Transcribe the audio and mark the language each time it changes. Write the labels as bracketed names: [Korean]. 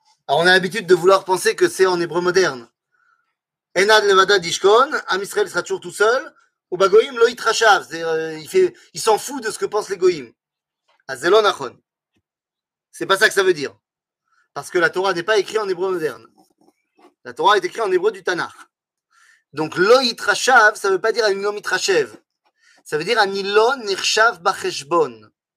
[French] On a l'habitude de vouloir penser que c'est en hébreu moderne. [Hebrew] אין עד לבדד ישכון, עם ישראל [French] sera toujours tout seul, [Hebrew] ובגויים לא יתחשב. [French] Il s'en fout de ce que pensent les goyim. [Hebrew] אז זה לא נכון. [French] C'est pas ça que ça veut dire. Parce que la Torah n'est pas écrite en hébreu moderne. La Torah est écrite en hébreu du Tanakh. Donc, lo yitrashav, ça veut pas dire [Hebrew] anilo mitrashev. [French] Ça veut dire [Hebrew] anilo nirshav bacheshbon.